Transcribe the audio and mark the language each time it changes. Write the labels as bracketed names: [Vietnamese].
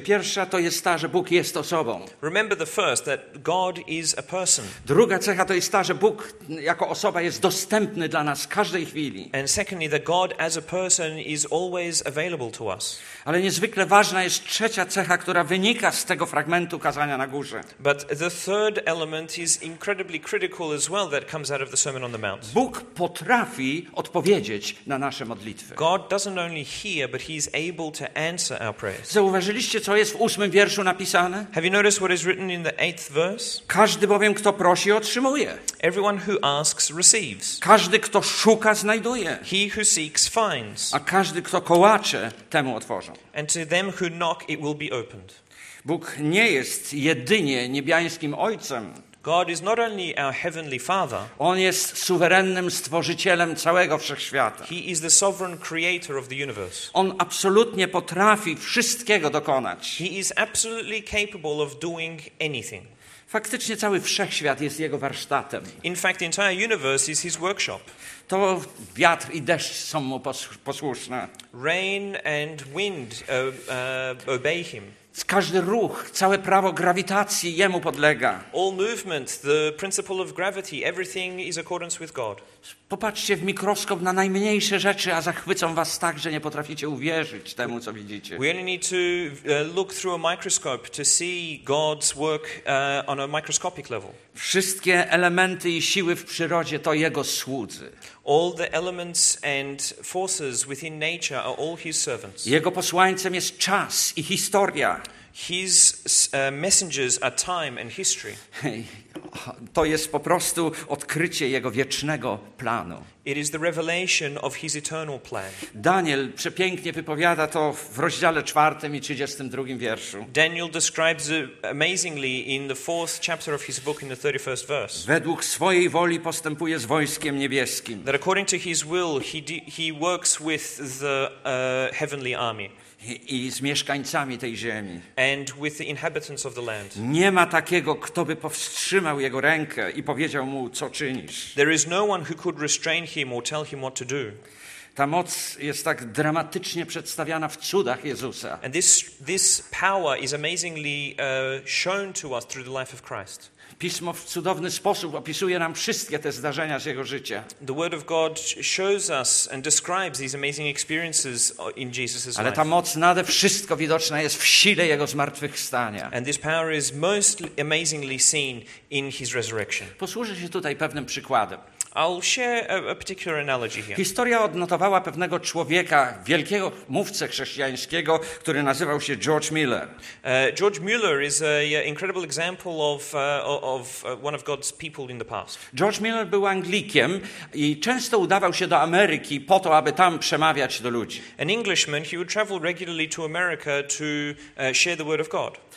[Polish] Pierwsza to jest ta, że Bóg jest osobą. [English] Remember the first, that God is a person. [Polish] Druga cecha to jest ta, że Bóg jako osoba jest dostępny dla nas w każdej chwili. [English] And secondly, that God as a person is always available to us. [Polish] Ale niezwykle ważna jest trzecia cecha, która wynika z tego fragmentu kazania na górze. [English] But the third element is incredibly critical as well that comes out of the Sermon on the Mount. [Polish] Bóg potrafi odpowiedzieć na nasze modlitwy. [English] God doesn't only hear, but he's able to answer our prayers. [Polish] Zauważyliście, co jest w ósmym wierszu napisane? [English] Have you noticed what is written in the eighth verse? [Polish] Każdy bowiem, kto prosi, otrzymuje. [English] Everyone who asks receives. [Polish] Każdy, kto szuka, znajduje. [English] He who seeks finds. [Polish] A każdy, kto kołacze, temu otworzą. [English] And to them who knock, it will be opened. [Polish] Bóg nie jest jedynie niebiańskim Ojcem. [English] God is not only our heavenly Father. [Polish] On jest suwerennym stworzycielem całego wszechświata. [English] He is the sovereign creator of the universe. [Polish] On absolutnie potrafi wszystkiego dokonać. [English] He is absolutely capable of doing anything. [Polish] Faktycznie cały wszechświat jest jego warsztatem. [English] In fact, the entire universe is his workshop. [Polish] To wiatr i deszcz są mu posłuszne. [English] Rain and wind obey him. [Polish] Każdy ruch, całe prawo grawitacji jemu podlega. [English] All movement, the principle of gravity, everything is accordance with God. [Polish] Popatrzcie w mikroskop na najmniejsze rzeczy, a zachwycą was tak, że nie potraficie uwierzyć temu, co widzicie. [English] We only need to look through a microscope to see God's work on a microscopic level. [Polish] Wszystkie elementy i siły w przyrodzie to jego słudzy. [English] All the elements and forces within nature are all his servants. [Polish] Jego posłańcem jest czas i historia. [English] His messengers are time and history. [Polish] to jest po prostu odkrycie jego wiecznego planu. [English] It is the revelation of his eternal plan. [Polish] Daniel przepięknie wypowiada to w rozdziale 4 i 32 wierszu. [English] Daniel describes it amazingly in the fourth chapter of his book in the 31st verse. [Polish] Według swojej woli postępuje z wojskiem niebieskim. [English] That according to his will he works with the heavenly army. [Polish] I z mieszkańcami tej ziemi. [English] And with the inhabitants of the land. [Polish] Nie ma takiego, kto by powstrzymał jego rękę i powiedział mu, co czynisz. [English] There is no one who could restrain him or tell him what to do. [Polish] Ta moc jest tak dramatycznie przedstawiana w cudach Jezusa. [English] And this power is amazingly shown to us through the life of Christ. [Polish] Pismo w cudowny sposób opisuje nam wszystkie te zdarzenia z jego życia. [English] The word of God shows us and describes these amazing experiences in Jesus' life. [Polish] Ale ta moc nade wszystko widoczna jest w sile jego zmartwychwstania. [English] And this power is most amazingly seen in his resurrection. [Polish] Posłużę się tutaj pewnym przykładem. [English] I'll share a particular analogy here. [Polish] Historia odnotowała pewnego człowieka, wielkiego mówcę chrześcijańskiego, który nazywał się George Mueller. [English] George Mueller is an incredible example of one of God's people in the past. [Polish] George Mueller był Anglikiem i często udawał się do Ameryki po to, aby tam przemawiać do ludzi. [English] An Englishman, he would travel regularly to America to share the word of God.